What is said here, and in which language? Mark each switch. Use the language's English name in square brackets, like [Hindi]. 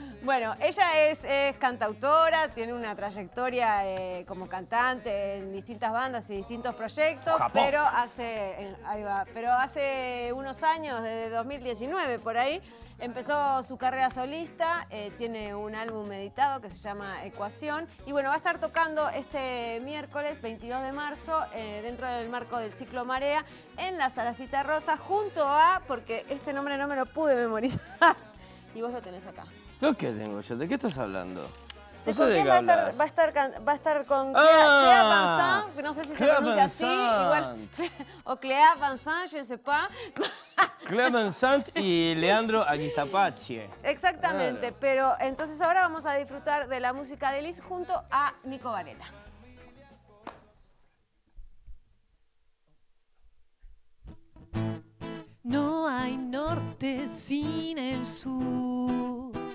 [Spanish] Bueno, ella es cantautora, tiene una trayectoria como cantante en distintas bandas y distintos proyectos, pero hace unos años, desde 2019 por ahí, empezó su carrera solista, tiene un álbum editado que se llama Ecuación y bueno, va a estar tocando este miércoles 22 de marzo dentro del marco del ciclo Marea en la Salacita Rosa junto a, porque este nombre no me lo pude memorizar, y vos lo tenés acá. ¿Yo qué tengo yo? ¿De qué estás hablando? ¿De qué hablas? Va a estar con Cléa Van Sant, no sé si se pronuncia así, igual. [French] O Cléa Van Sant, je ne sais pas. [Spanish] Cléa Van Sant y Leandro Aguistapache. Exactamente, claro. Pero entonces ahora vamos a disfrutar de la música de Liz junto a Nico Varela. No hay norte sin el sur.